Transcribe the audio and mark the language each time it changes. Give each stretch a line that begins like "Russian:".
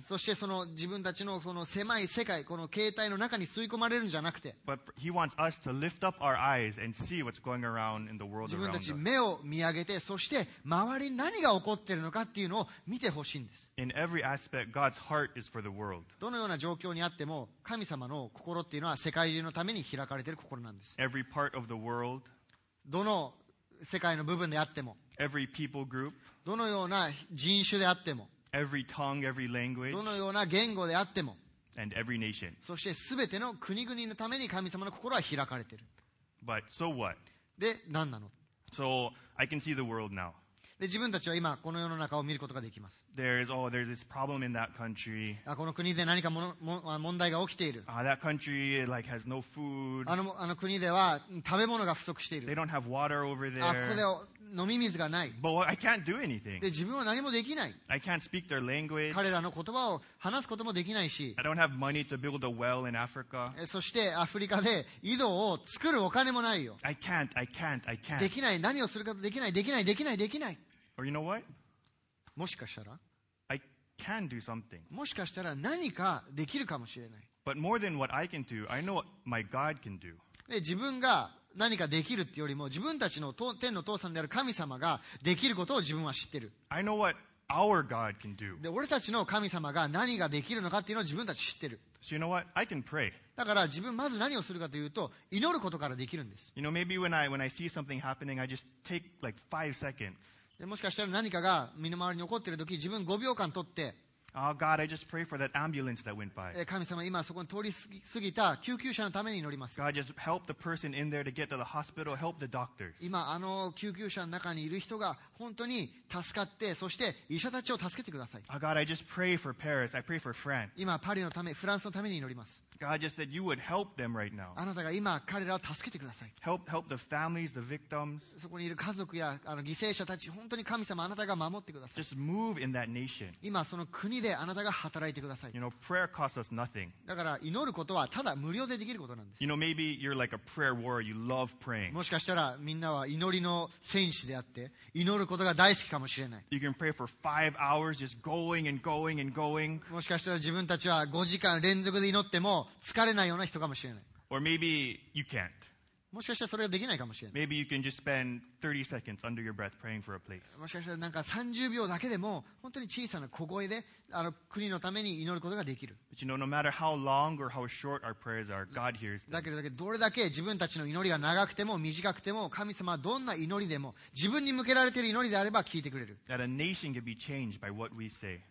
Japanese: そしてその自分たちのその狭い世界、この携帯の中に吸い込まれるんじゃなくて。
English: But he wants us to lift up our eyes and see what's going around in the world around us.
Japanese: 自分たち目を見上げて、そして周りに何が起こっているのかっていうのを見てほしいんです。
English: In every aspect, God's heart is for the world.
Japanese: どのような状況にあっても、神様の心っていうのは世界中のために開かれている心なんです。
English: Every part of the world.
Japanese: どの世界の部分であっても。
English: Every people group,
Japanese: どのような人種であっても、
English: every tongue, every language,
Japanese: どのような言語であっても、
English: and every nation.
Japanese: そして全ての国々のために神様の心は開かれている。
English: But so what?
Japanese: で、何なの?
English: So I can see the world now.
Japanese: で、自分たちは今この世の中を見ることができます。
English: There's this problem in that country.
Japanese: あ、この国で何か問題が起きている。
English: That country like has no food.
Japanese: あの国では食べ物が不足している。
English: They don't have water over there.
Japanese: あ、ここで飲み水がない。
English: But I can't do anything.
Japanese: で、自分は何もできない。
English: I can't speak their language.
Japanese: 彼らの言葉を話すこともできないし。
English: I don't have money to build a well in Africa.
Japanese: そしてアフリカで井戸を作るお金もないよ。
English: I can't.
Japanese: できない。何をするかできない。できない。できない。できない。
English: Or you know what?
Japanese: もしかしたら。
English: I can do something.
Japanese: もしかしたら何かできるかもしれない。
English: But more than what I can do, I know what my God can do.
Japanese: で、自分が何かできるってよりも自分たちの天の父さんである神様ができることを自分は知ってる。
English: I know what our God can do.
Japanese: で、俺たちの神様が何ができるのかっていうのを自分たち知ってる。
English: So you know what? I can pray.
Japanese: だから自分まず何をするかというと祈ることからできるんです。
English: You know, maybe when I see something happening, I just take like 5 seconds.
Japanese: で、もしかしたら何かが身の回りに起こっているとき、自分5秒間取って。
English: Oh God, I just pray for that ambulance that went by.
Japanese: 神様、今そこに通り過ぎた救急車のために祈ります。
English: God, just help the person in there to get to the hospital. Help the doctors.
Japanese: 今あの救急車の中にいる人が本当に助かって、そして医者たちを助けてください。
English: Oh God, I just pray for Paris. I pray for France.
Japanese: 今パリのため、フランスのために祈ります。
English: God, just that you would help them right now.
Japanese: あなたが今彼らを助けてください。
English: Help the families, the victims.
Japanese: そこにいる家族やあの犠牲者たち、本当に神様、あなたが守ってください。
English: Just move in that nation.
Japanese: 今その国であなたが働いてください。
English: You know, prayer costs us nothing.
Japanese: だから祈ることはただ無料でできることなんです。
English: You know, maybe you're like a prayer warrior. You love praying.
Japanese: もしかしたらみんなは祈りの戦士であって祈ることが大好きかもしれない。
English: You can pray for 5 hours, just going and going and going.
Japanese: もしかしたら自分たちは5時間連続で祈っても疲れないような人かもしれない。
English: Or maybe you can't.
Japanese: もしかしたらそれができないかもしれない。
English: Maybe you can just spend 30 seconds under your breath praying for a place.
Japanese: もしかしたらなんか30秒だけでも本当に小さな小声であの国のために祈ることができる。
English: But you know, no matter how long or how short our prayers are, God hears them.
Japanese: だけどどれだけ自分たちの祈りが長くても短くても神様はどんな祈りでも自分に向けられている祈りであれば聞いてくれる。
English: That a nation can be changed by what we say.